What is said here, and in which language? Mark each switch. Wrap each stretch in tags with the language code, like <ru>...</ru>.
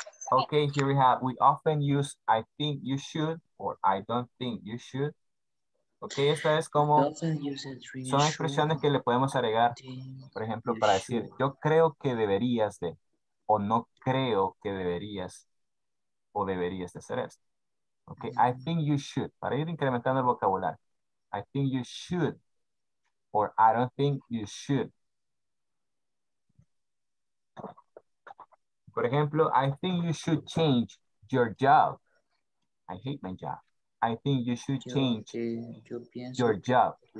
<en>Okay, here we have, we often use I think you should or I don't think you should.</en> <es>Okay, esta es como, son expresiones que le podemos agregar, por ejemplo, para decir, yo creo que deberías de, o no creo que deberías, o deberías de hacer esto. Okay,</es> <en>I think you should,</en> <es>para ir incrementando el vocabulario.</es> <en>I think you should, or I don't think you should.</en> <es>Por ejemplo,</es> <en>I think you should change your job. I hate my job. I think you should change your job.</en>